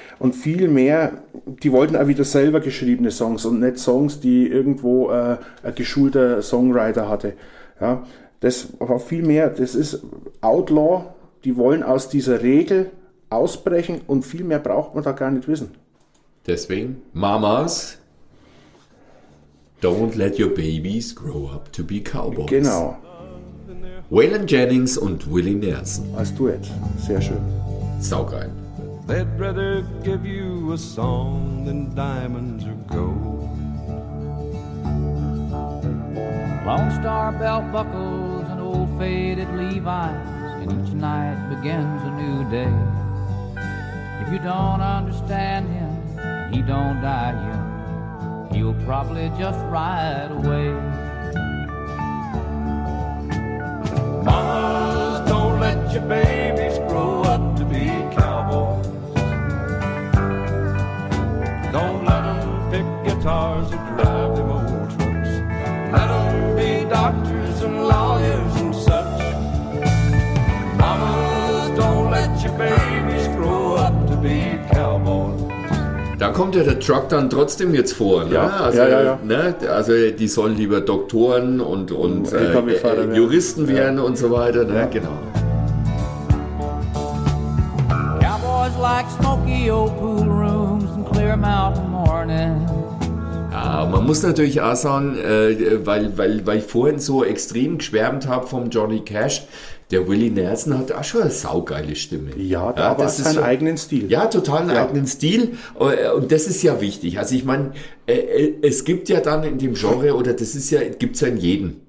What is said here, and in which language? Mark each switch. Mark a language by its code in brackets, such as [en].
[de] Und viel mehr, die wollten auch wieder selber geschriebene Songs und nicht Songs, die irgendwo ein geschulter Songwriter hatte. Ja, das war viel mehr, das ist Outlaw, die wollen aus dieser Regel ausbrechen und viel mehr braucht man da gar nicht wissen. Deswegen [en] Mamas, don't let your babies grow up to be cowboys. [de] Genau. Waylon Jennings und Willie Nelson. Als Duett. Sehr schön. Saugeil. [en] They'd rather give you a song than diamonds or gold. Long star belt buckles and old faded Levi's. And each night begins a new day. If you don't understand him, he don't die young. You'll probably just ride away. Mamas, don't let your babies grow up to be cowboys. Don't let them pick guitars or drive them old trucks. Let them be doctors and lawyers and such. Mamas, don't let your babies grow up to be cowboys. [de] Da kommt ja der Truck dann trotzdem jetzt vor. Ne? Ja, also, ja, ja, ja. Ne? Also die sollen lieber Doktoren und Juristen werden und so weiter. Ne? Ja, genau. [en] Cowboys like smoky old pool rooms and clear mountain mornings. [de] Ja, man muss natürlich auch sagen, weil ich vorhin so extrem geschwärmt habe vom Johnny Cash, der Willie Nelson hat auch schon eine saugeile Stimme. Ja, ja, aber das ist seinen eigenen Stil. Ja, total einen eigenen Stil. Und das ist ja wichtig. Also ich meine, es gibt ja dann in dem Genre, oder das ist ja, gibt es ja in jedem.